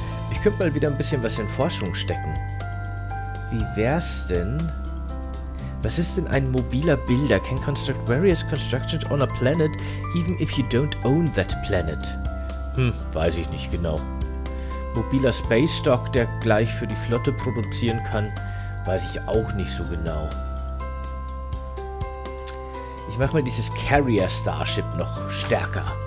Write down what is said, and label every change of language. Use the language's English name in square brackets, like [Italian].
[German] Ich könnte mal wieder ein bisschen was in Forschung stecken. Wie wär's denn... Was ist denn ein mobiler Builder? [English] Can construct various constructions on a planet, even if you don't own that planet. [German] Weiß ich nicht genau. Mobiler Space Dock, der gleich für die Flotte produzieren kann, weiß ich auch nicht so genau. Ich mache mir dieses Carrier Starship noch stärker.